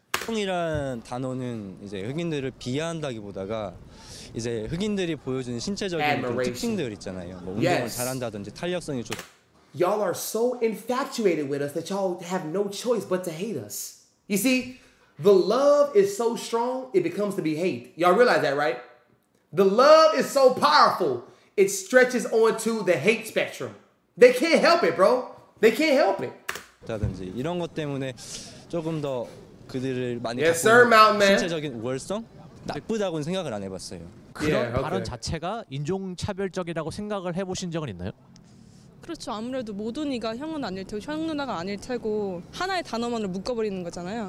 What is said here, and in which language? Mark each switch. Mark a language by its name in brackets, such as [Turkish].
[Korean] 형이란 단어는 이제 흑인들을 비하한다기보다가 이제 흑인들이 보여주는 신체적인 특징들 있잖아요. 뭐 운동을 [English] yes. [Korean] 잘한다든지 탄력성이 좋. [English] Y'all are so infatuated with us that y'all have no choice but to hate us. You see, the love is so strong it becomes to be hate. Y'all realize that, right? The love is so powerful it stretches onto the hate spectrum. They can't help it, bro. They can't help it. [Korean] 다든지 이런 것 때문에 조금 더 그들을 많이 [English] yes, sir, [Korean] 신체적인 우월성? 나쁘다고는 생각을 안 해봤어요. 그런 [English] yeah, okay. [Korean] 발언 자체가 인종차별적이라고 생각을 해보신 적은 있나요? 그렇죠. 아무래도 모두니가 형은 아닐 테고 형 누나가 아닐 테고 하나의 단어만을 묶어버리는 거잖아요.